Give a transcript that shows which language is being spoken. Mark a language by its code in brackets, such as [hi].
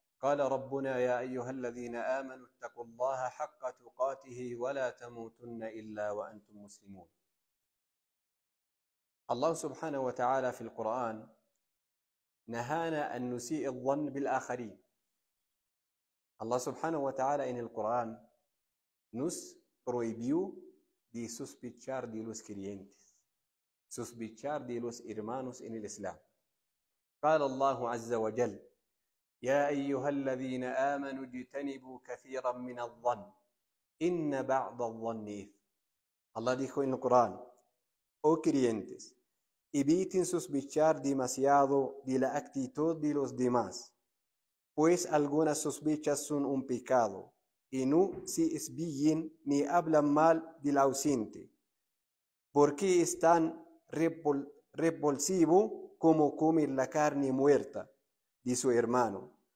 [ar] قال ربنا: يا أيها الذين آمنوا اتقوا الله حق تقاته ولا تموتن إلا وأنتم مسلمون. الله سبحانه وتعالى في القرآن نهانا أن نسيء الظن بالآخرين. الله سبحانه وتعالى إن القرآن [es] nos prohibió de sospechar de los creyentes, sospechar de los hermanos en el Islam. [ar] قال الله عز وجل: يا أيها الذين آمنوا اجتنبوا كثيرا من الظن إن بعض الظن إثم. [es] Allah dijo en el Corán: oh creyentes, eviten sospechar demasiado de la actitud de los demás, pues algunas sospechas son un pecado. Y no se espíen ni hablan mal del ausente, porque es tan repulsivo como comer la carne muerta de su hermano.